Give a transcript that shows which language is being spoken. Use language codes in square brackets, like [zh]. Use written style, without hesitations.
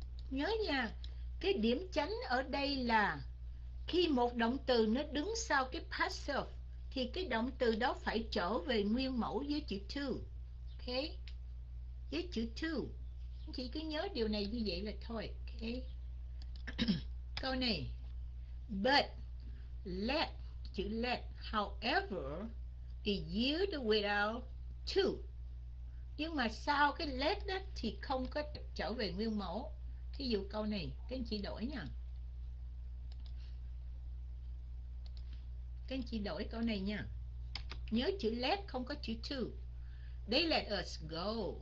[vi] Nhớ nha, cái điểm chánh ở đây là khi một động từ nó đứng sau cái passive thì cái động từ đó phải trở về nguyên mẫu với chữ to. Okay. It's chữ to. Chị cứ nhớ điều này như vậy là thôi. Okay. Câu này. [en] But, let, chữ let, however, is used without to. [vi] Nhưng mà sau cái let đó thì không có trở về nguyên mẫu. Thí dụ câu này, các anh chị đổi nha. Các anh chị đổi câu này nha. Nhớ chữ let không có chữ to. [en] They let us go.